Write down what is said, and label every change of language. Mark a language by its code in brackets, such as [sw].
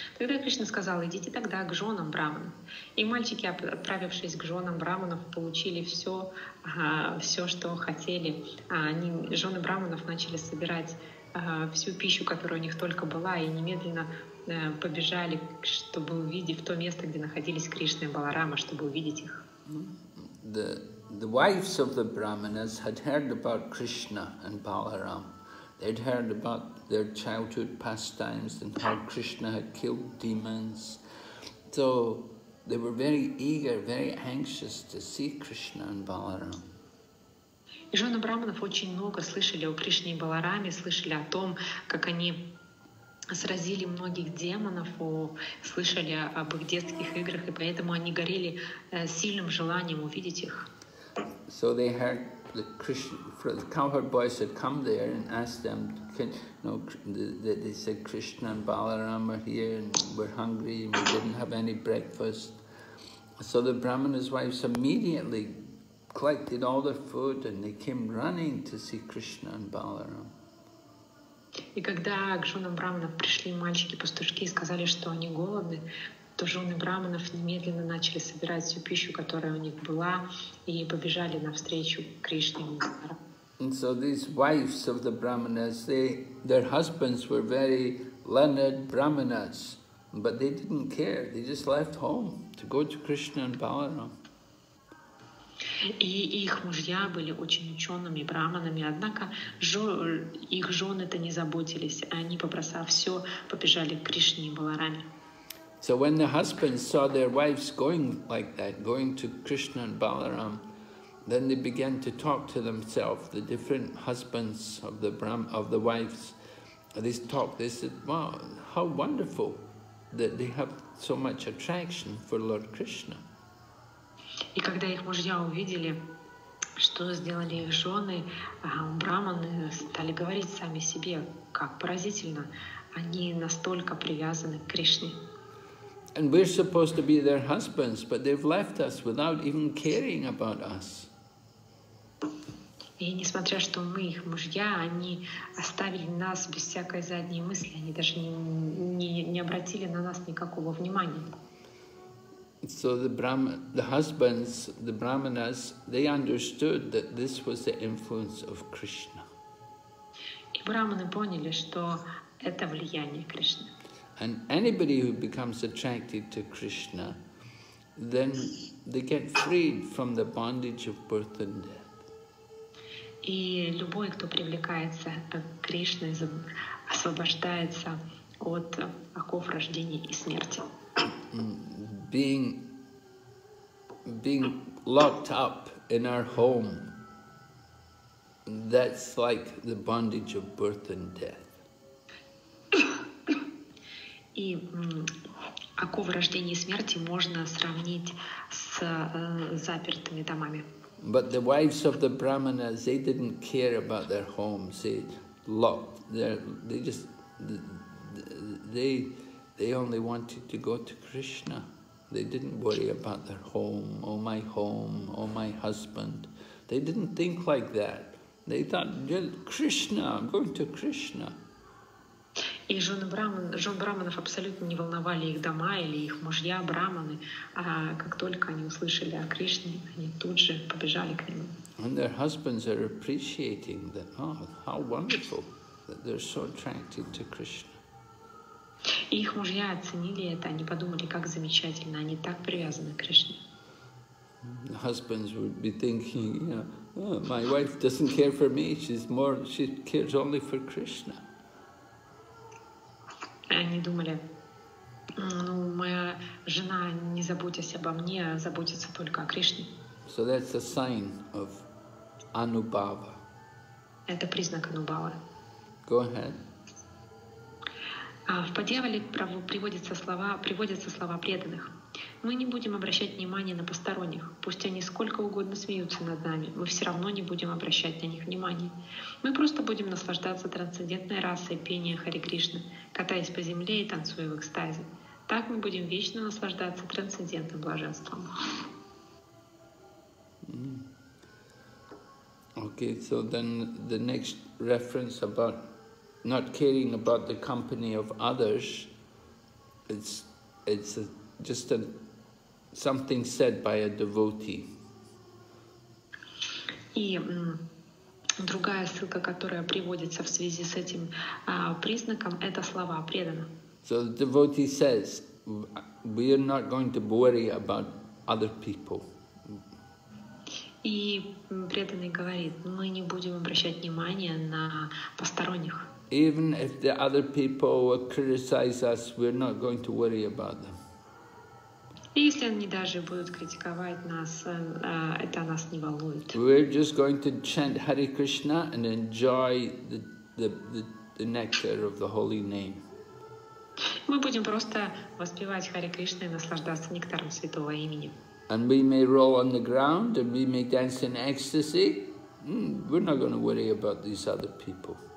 [ru] Тогда Кришна сказал, идите тогда к женам браманов. И мальчики, отправившись к женам браманов, получили все, что хотели. Они, жены браманов, начали собирать всю пищу, которая у них только была, и немедленно побежали, чтобы увидеть то место, где находились Кришна и Баларама, чтобы увидеть их. [en] The wives of the Brahmanas had heard about Krishna and Balaram. They'd heard about their childhood pastimes and how Krishna had killed demons. So they were very eager, very anxious to see Krishna and Balaram. [ru] И жены браманов очень много слышали о Кришне и Балараме, слышали о том, как они сразили многих демонов, слышали об их детских играх, и поэтому они горели сильным желанием увидеть их. [en] So they heard that Krishna, the cowherd boys had come there and asked them, they said Krishna and Balaram are here and we're hungry and we didn't have any breakfast. So the brahmana's wives immediately collected all their food and they came running to see Krishna and Balaram. [ru] И когда к женам браманов пришли мальчики-пастушки и сказали, что они голодны, то жены браманов немедленно начали собирать всю пищу, которая у них была, и побежали навстречу Кришне и Баларам. [en] And so these wives of the brahmanas, their husbands were very learned brahmanas, but they didn't care. They just left home to go to Krishna and Balaram. [ru] И их мужья были очень учеными браманами, однако их жены-то не заботились, они, побросав все, побежали к Кришне и Баларами. [en] So when the husbands saw their wives going like that, going to Krishna and Balaram, then they began to talk to themselves, the different husbands of the wives. They said, wow, how wonderful that they have so much attraction for Lord Krishna. [ru] И когда их мужья увидели, что сделали их жены, браманы стали говорить сами себе, как поразительно, они настолько привязаны к Кришне. [en] And we're supposed to be their husbands, but they've left us without even caring about us. [ru] И несмотря, что мы их мужья, они оставили нас без всякой задней мысли, они даже не обратили на нас никакого внимания. [en] So the brahmanas, they understood that this was the influence of Krishna. [ru] И браманы поняли, что это влияние Кришны. [en] And anybody who becomes attracted to Krishna, then they get freed from the bondage of birth and death. [ru] И любой, кто привлекается к Кришне, освобождается от оков рождения и смерти. [en] Being locked up in our home, that's like the bondage of birth and death. [ru] И оков рождения и смерти можно сравнить с запертыми домами. [en] But the wives of the brahmanas, they didn't care about their homes. They only wanted to go to Krishna. They didn't worry about their home, oh my husband. They didn't think like that. They thought, Krishna, I'm going to Krishna. [ru] И жены браманов абсолютно не волновали их дома или их мужья, браманы. А как только они услышали о Кришне, они тут же побежали к нему. [en] And their husbands are appreciating that, oh, how wonderful that they're so attracted to Krishna. [ru] И их мужья оценили это, они подумали, как замечательно, они так привязаны к Кришне. [en] Husbands would be thinking, my wife doesn't care for me, she cares only for Krishna. [ru] Они думали, моя жена не заботясь обо мне, а заботится только о Кришне. [en] So that's a sign of Anubhava. [ru] Это признак Анубавы. [en] Go ahead. [ru] В подъявале приводятся слова преданных. Мы не будем обращать внимания на посторонних. Пусть они сколько угодно смеются над нами, мы все равно не будем обращать на них внимания. Мы просто будем наслаждаться трансцендентной расой пения Хари Кришны, катаясь по земле и танцуя в экстазе. Так мы будем вечно наслаждаться трансцендентным блаженством. [en] Okay, so then the next reference about not caring about the company of others, it's just something said by a devotee. [ru] И другая ссылка, которая приводится в связи с этим признаком, это слова преданных. [en] So the devotee says, we are not going to worry about other people. [ru] И преданный говорит, мы не будем обращать внимания на посторонних. [en] Even if the other people criticize us, we're not going to worry about them. [ru] И если они даже будут критиковать нас, это нас не волнует. [en] We're just going to chant Hare Krishna and enjoy the nectar of the holy name. [ru] Мы будем просто воспевать Харе Кришну и наслаждаться нектаром святого имени. [en] And we may roll on the ground and we may dance in ecstasy. We're not going to worry about these other people.